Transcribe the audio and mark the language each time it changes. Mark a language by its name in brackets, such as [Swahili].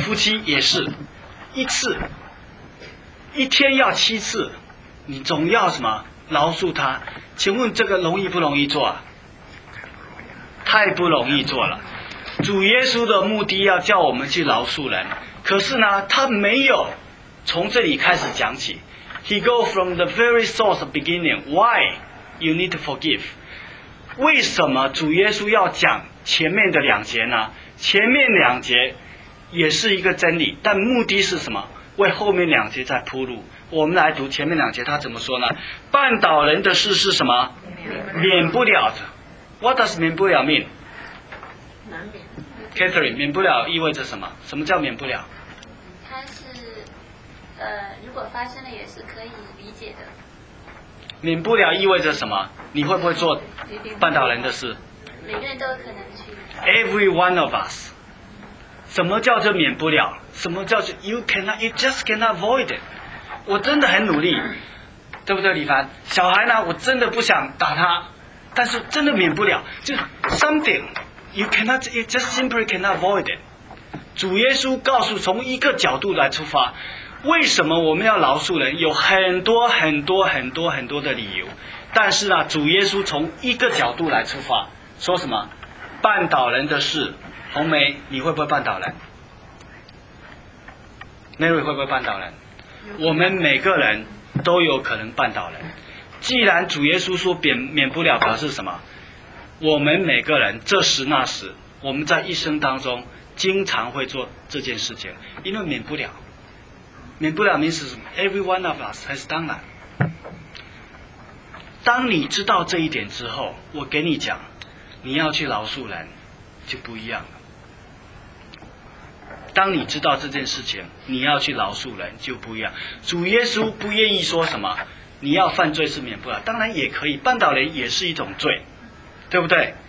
[Chinese] 夫妻也是一次，一天要七次，你总要什么？饶恕他。请问这个容易不容易做啊？太不容易做了。主耶稣的目的要叫我们去饶恕人，可是呢，他没有从这里开始讲起。 [English] He go from the very source of beginning. Why you need to forgive? [Chinese] 为什么主耶稣要讲前面的两节呢？前面两节也是一个真理，但目的是什么？为后面两节在铺路。我们来读前面两节，他怎么说呢？绊倒人的事是什么？免不了的。 [English] What does [Chinese] 免不了 [English] mean？ [Chinese] 难免。 Catherine， 免不了意味着什么？什么叫免不了？它是，如果发生了也是可以理解的。免不了意味着什么？你会不会做绊倒人的事？每个人都有可能去。 [English] Every one of us。 [Chinese] 什么叫做免不了？什么叫做 [English] you cannot, you just cannot avoid it？ [Chinese] 我真的很努力，对不对，李凡？小孩呢？我真的不想打他，但是真的免不了。 [English] 就 something you cannot, you just simply cannot avoid it。 [Chinese] 主耶稣告诉，从一个角度来出发，为什么我们要饶恕人？有很多很多很多很多的理由，但是呢，主耶稣从一个角度来出发，说什么？绊倒人的事。红梅，你会不会绊倒人？ Mary 会不会绊倒人？我们每个人都有可能绊倒人。既然主耶稣说免不了，表示什么？我们每个人这时那时，我们在一生当中经常会做这件事情，因为免不了。免不了 [English] means every one of us has done that。 [Chinese] 当你知道这一点之后，我给你讲，你要去饶恕人就不一样了。当你知道这件事情，你要去饶恕人就不一样。主耶稣不愿意说什么，你要犯罪是免不了，当然也可以，绊倒人也是一种罪，对不对？